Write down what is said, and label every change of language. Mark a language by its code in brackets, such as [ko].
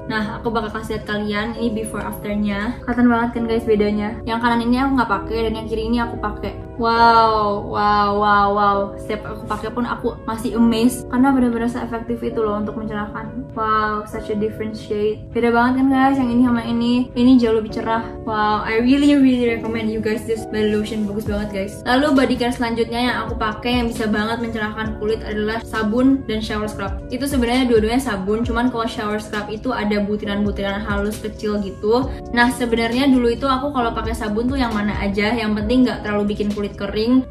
[id] Nah, aku bakal kasih lihat kalian ini before afternya. Kelihatan banget kan guys bedanya. Yang kanan ini aku nggak pakai dan yang kiri ini aku pakai. Wow. Setiap aku pakai pun aku masih amazed karena benar-benar se-efektif itu loh untuk mencerahkan. Wow, [en] such a different shade. [id] Beda banget kan guys, yang ini sama ini. Ini jauh lebih cerah. [en] Wow, I really recommend you guys this body lotion, [id] bagus banget guys. Lalu body care selanjutnya yang aku pakai yang bisa banget mencerahkan kulit adalah sabun dan shower scrub. Itu sebenarnya dua-duanya sabun, cuman kalau shower scrub itu ada butiran-butiran halus kecil gitu. Nah, sebenarnya dulu itu aku kalau pakai sabun tuh yang mana aja, yang penting nggak terlalu bikin kulit kering.